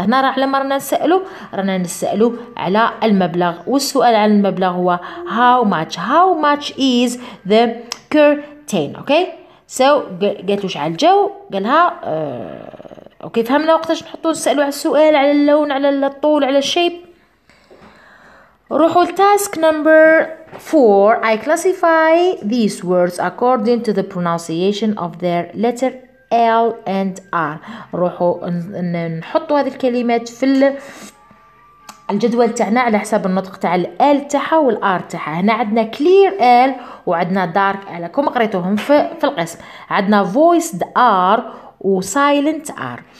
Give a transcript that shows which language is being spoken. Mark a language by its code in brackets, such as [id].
[ar] هنا راح لما رانا نسألو على المبلغ، والسؤال على المبلغ هو [en] how much is the curtain. [ar] اوكي سو قالت واش على الجو، قالها اوكي فهمنا وقتاش نحطو نسألو على السؤال على اللون على الطول على الشيب. روحوا التاسك نمبر 4. [en] I classify these words according to the pronunciation of their letter L and R. [ar] روحوا نحطوا هذه الكلمات في الجدول تاعنا على حساب النطق تاع ال L تاعها وال R تاعها. هنا عندنا [en] clear L [ar] وعندنا [en] dark L، [ar] كما قريتوهم في القسم. عندنا [en] voiced R [ar] و [en] silent R.